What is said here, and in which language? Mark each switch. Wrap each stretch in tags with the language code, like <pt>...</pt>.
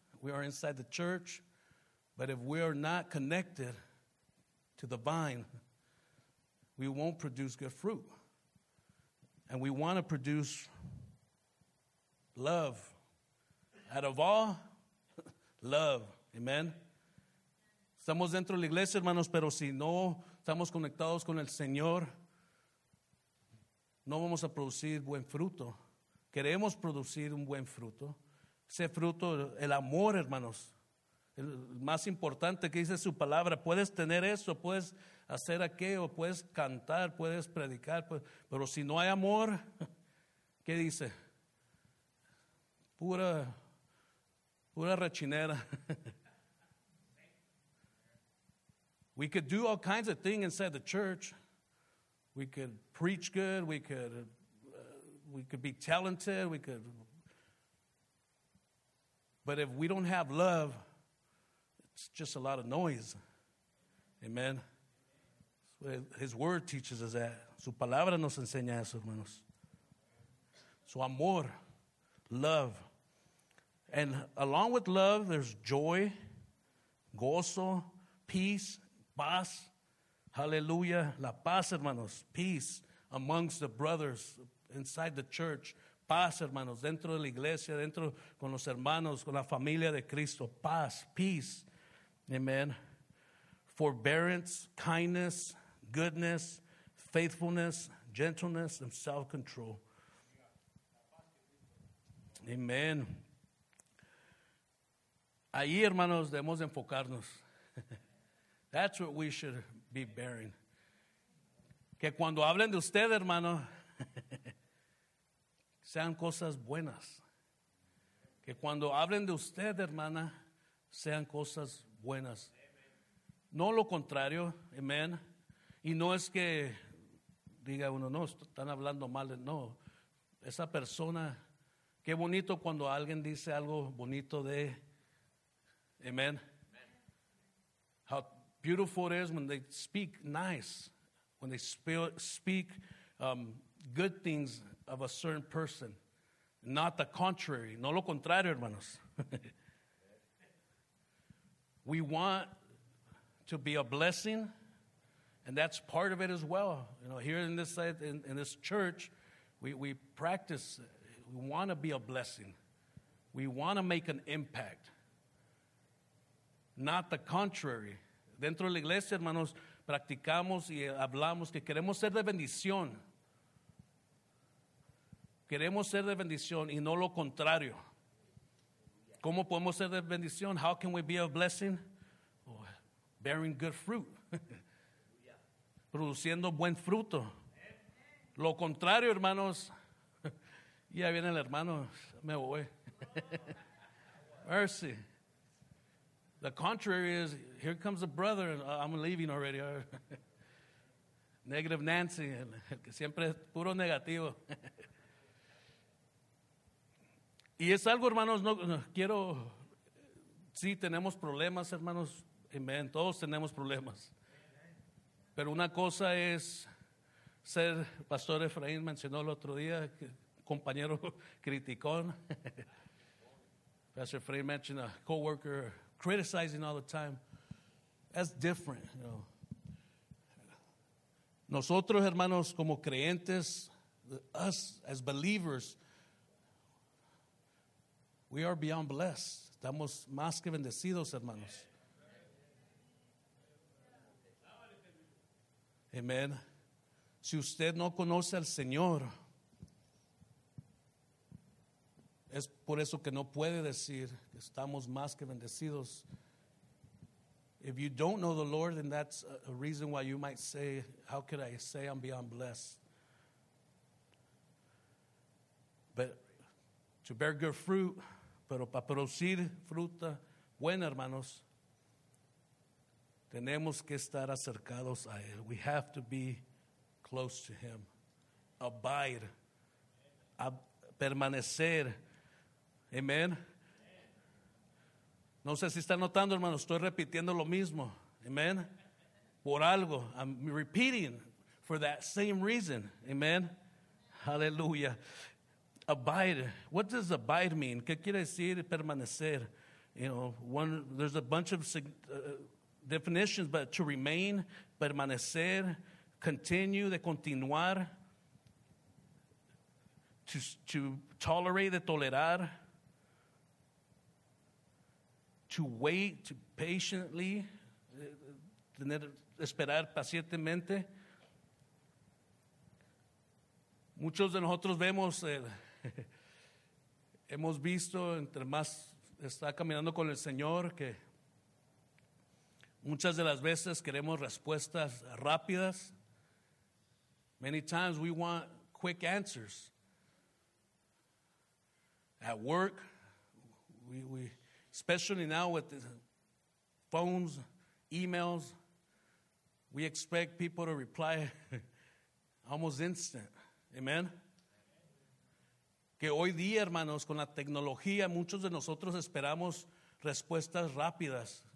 <en>We are inside the church. But if we are not connected to the vine, we won't produce good fruit. And we want to produce love. Out of all, love. Amen.</en> <es>Estamos dentro de la iglesia, hermanos, pero si no estamos conectados con el Señor, no vamos a producir buen fruto. Queremos producir un buen fruto. Ese fruto, el amor, hermanos. El más importante que dice su palabra. Puedes tener eso, puedes hacer aquello, puedes cantar, puedes predicar, pero si no hay amor, ¿qué dice? Pura rechinera.</es> <en>We could do all kinds of things inside the church. We could preach good. We could be talented. We could. But if we don't have love, it's just a lot of noise. Amen. His word teaches us that.</en> <es>Su palabra nos enseña eso, hermanos.</es> <en>So amor, love. And along with love, there's joy, gozo, peace, paz. Hallelujah.</en> <es>La paz, hermanos.</es> <en>Peace amongst the brothers inside the church.</en> <es>Paz, hermanos. Dentro de la iglesia, dentro con los hermanos, con la familia de Cristo.</es> <en>Paz, peace. Amen. Forbearance, kindness, goodness, faithfulness, gentleness, and self-control. Amen.</en> <es>Ahí, hermanos, debemos enfocarnos.</es> <en>That's what we should be bearing.</en> <es>Que cuando hablen de usted, hermano, sean cosas buenas. Que cuando hablen de usted, hermana, sean cosas buenas. No lo contrario, amen. Y no es que diga uno, no, están hablando mal. No, esa persona, qué bonito cuando alguien dice algo bonito de... Amen. Amen.</es> <en>How beautiful it is when they speak nice, when they speak good things of a certain person, not the contrary.</en> <es>No lo contrario, hermanos.</es> <en>We want to be a blessing, and that's part of it as well. You know, here in this church, we practice. We want to be a blessing. We want to make an impact. Not the contrary.</en> <es>Dentro de la iglesia, hermanos, practicamos y hablamos que queremos ser de bendición. Queremos ser de bendición y no lo contrario. ¿Cómo podemos ser de bendición?</es> <en>How can we be a blessing? Oh, bearing good fruit.</en> <es>Produciendo buen fruto. Lo contrario, hermanos. Ya viene el hermano. Me voy. Mercy.</es> <en>The contrary is, here comes a brother, and I'm leaving already.</en> <es>Negative Nancy, el que siempre es puro negativo. Y es algo, hermanos, no quiero, sí tenemos problemas, hermanos, amen, todos tenemos problemas. Pero una cosa es ser, Pastor Efraín mencionó el otro día, compañero criticón.</es> <en>Pastor Efraín mentioned a co-worker criticizing all the time. That's different, you know.</en> <es>Nosotros, hermanos, como creyentes,</es> <en>us as believers, We are beyond blessed.</en> <es>Estamos más que bendecidos, hermanos. Amen. Si usted no conoce al Señor, es por eso que no puede decir que estamos más que bendecidos.</es> <en>If you don't know the Lord, then that's a reason why you might say, how could I say I'm beyond blessed? But to bear good fruit,</en> <es>pero para producir fruta buena, hermanos, tenemos que estar acercados a Él.</es> <en>We have to be close to Him. Abide. Permanecer. Amen.</en> <es>No sé si están notando, hermanos, estoy repitiendo lo mismo. Amen. Por algo.</es> <en>I'm repeating for that same reason. Amen. Hallelujah. Abide. What does abide mean?</en> <es>¿Qué quiere decir permanecer?</es> <en>You know, one. There's a bunch of definitions, but to remain, permanecer, continue, de continuar, to tolerate, de tolerar, to wait, to patiently,</en> <es>tener, esperar pacientemente. Muchos de nosotros vemos el hemos visto, entre más está caminando con el Señor, que muchas de las veces queremos respuestas rápidas.</es> <en>Many times we want quick answers. At work, we especially now with the phones, emails, we expect people to reply almost instant. Amen.</en> <es>Que hoy día, hermanos, con la tecnología, muchos de nosotros esperamos respuestas rápidas.</es>